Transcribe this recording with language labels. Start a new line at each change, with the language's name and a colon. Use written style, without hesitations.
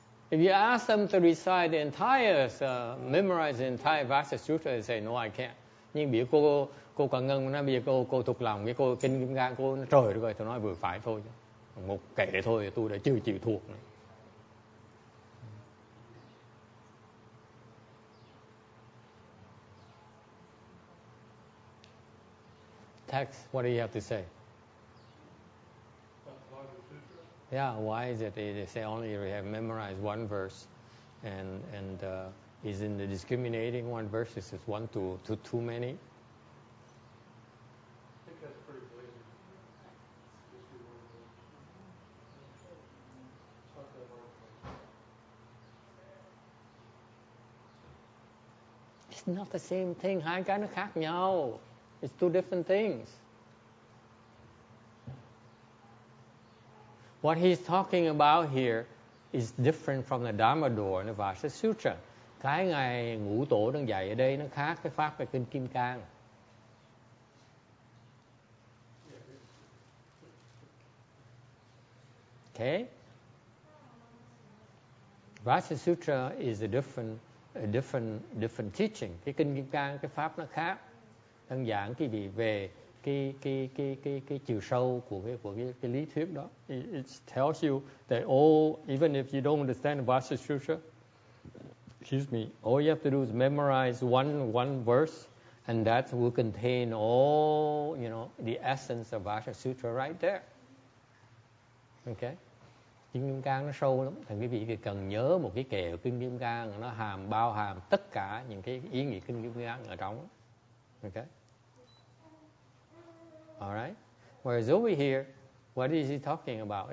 English: If you ask them to recite the entire, memorize the entire Vasa Sutra, they say, no, I can't.
Vietnamese: Nhưng biểu cô Quảng Ngân nói, bây giờ cô thuộc lòng cái cô Kinh Kim Cang, cô nói, trời được rồi, tôi nói vừa phải thôi. Một kệ thôi, tôi đã chưa chịu thuộc nữa.
English: Text, what do you have to say? Yeah, why is it they say only you have memorized one verse and isn't the discriminating one verse is just one to too many? It's not the same thing.
Vietnamese: Hai cái nó khác nhau.
English: It's two different things. What he's talking about here is different from the Dharma Door and the Vasa Sutra.
Vietnamese: Cái ngài Ngũ Tổ đang dạy ở đây nó khác cái pháp về kinh Kim Cang.
English: Okay? Vasa Sutra is a different teaching.
Vietnamese: Cái kinh Kim Cang cái pháp nó khác. Đang giảng cái gì về cái chiều sâu của cái lý thuyết đó.
English: It tells you that all, even if you don't understand Vasa Sutra, excuse me, all you have to do is memorize one verse, and that will contain all, you know, the essence of Vasa Sutra right there. Okay.
Vietnamese: Kinh Kim Cang nó sâu lắm, thành quý vị cần nhớ một cái kèo Kinh Kim Cang, nó hàm bao hàm tất cả những cái ý nghĩa Kinh Kim Cang ở trong.
English: Okay. All right. Whereas over here, what is he talking about?